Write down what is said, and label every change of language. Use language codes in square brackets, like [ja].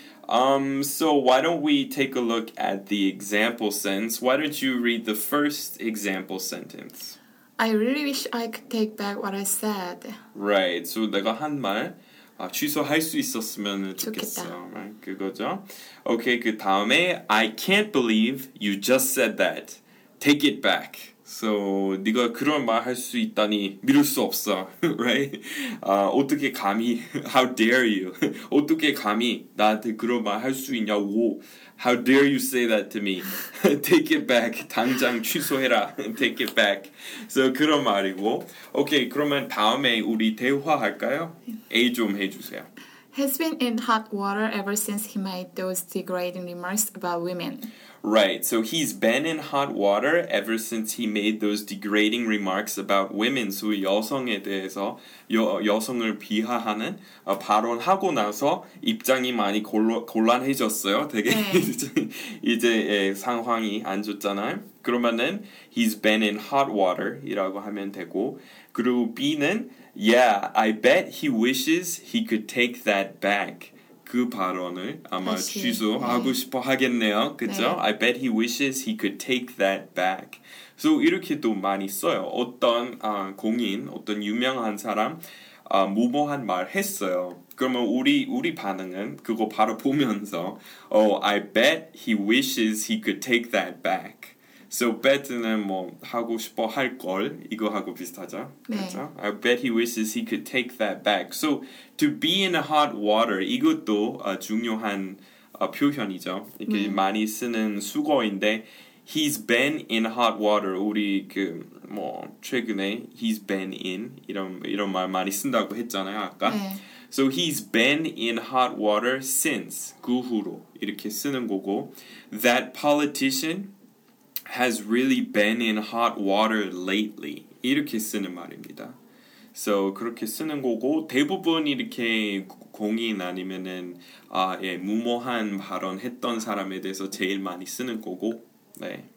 [en] So why don't we take a look at the example sentence? Why don't you read the first example sentence? I really wish I could take back what I said. Right. So [ko] 내가 한 말 취소할 수 있었으면 좋겠어. 좋겠다. Right? 그거죠. Okay. 그 다음에 [en] I can't believe you just said that. Take it back. So [ko] 네가 그런 말 할 수 있다니 믿을 수 없어. [en] Right? [ko] 어떻게 감히 [en] How dare you? [ko] 어떻게 감히 나한테 그런 말 할 수 있냐고 [en] How dare you say that to me? Take it back. [ko] 당장 취소해라. [en] Take it back. So [ko] 그런 말이고 [en] Okay, [ko] 그러면 다음에 우리 대화할까요? A 좀 해주세요. [en] has been in hot water ever since he made those degrading remarks about women. Right, so he's been in hot water ever since he made those degrading remarks about women. So [ko] 여성에 대해서 여성을 비하하는 발언하고 나서 입장이 많이 곤란해졌어요. 되게 네. 이제 예, 상황이 안 좋잖아요. 그러면은 [en] he's been in hot water [ko] 이라고 하면 되고 그리고 B는 [en] yeah, I bet he wishes he could take that back. [ko] 그 발언을 아마 다시, 취소하고 네. 싶어 하겠네요. 그죠? [en] 네. I bet he wishes he could take that back. So [ko] 이렇게도 많이 써요. 어떤 공인, 어떤 유명한 사람 무모한 말 했어요. 그러면 우리 반응은 그거 바로 보면서 [en] Oh, I bet he wishes he could take that back. So [ko] bet는 뭐 하고 싶어 할 걸 이거하고 비슷하죠? 네. 그렇죠? [en] I bet he wishes he could take that back. So to be in hot water [ko] 이것도 중요한 표현이죠. 이렇게 많이 쓰는 수거인데 [en] he's been in hot water. [ko] 우리 그 뭐 최근에 [en] he's been in [ko] 이런 말 많이 쓴다고 했잖아요 아까. 네. [en] So he's been in hot water since [ko] 그 후로 이렇게 쓰는 거고 [en] that politician has really been in hot water lately. [ko] 이렇게 쓰는 말입니다. [en] So [ko] 그렇게 쓰는 거고 대부분 이렇게 공인 아니면은 예 무모한 발언 했던 사람에 대해서 제일 많이 쓰는 거고 네.